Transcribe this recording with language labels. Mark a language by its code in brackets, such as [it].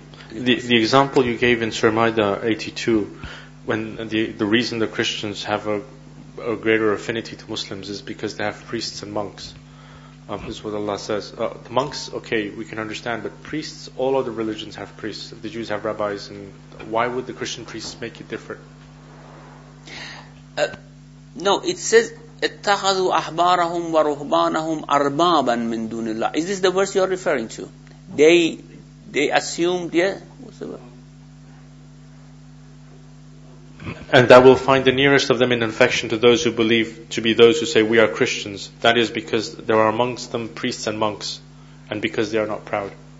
[en] The example you gave in Surah Maida 82, when the reason the Christians have a greater affinity to Muslims is because they have priests and monks. This is what Allah says. The monks, okay, we can understand, but priests, all other religions have priests. The Jews have rabbis, and why would the Christian priests make it different? No, it says, [ar] اتخذوا أحبارهم ورهبانهم أربابا من دون الله. [en] Is this the verse you are referring to? They assumed, yeah? What's the word? And that will find the nearest of them in infection to those who believe to be those who say, we are Christians. That is because there are amongst them priests and monks, and because they are not proud.